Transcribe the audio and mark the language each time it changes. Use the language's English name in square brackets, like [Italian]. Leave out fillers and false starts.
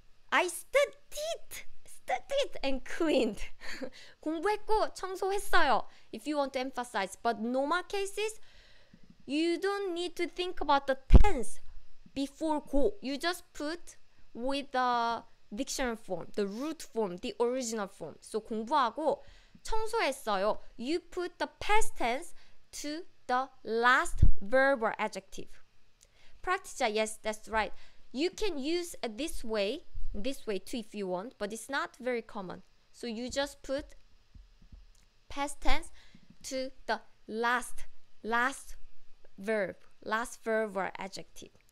[English] I studied and cleaned. [Korean] 공부했고 청소했어요. [English] If you want to emphasize. But normal cases, you don't need to think about the tense before 고. You just put with the dictionary form, the root form, the original form. [Korean] So 공부하고 청소했어요. [English] You put the past tense to the last verb or adjective. Practice, yes, that's right. You can use this way too if you want, but it's not very common. So you just put past tense to the last verb or adjective.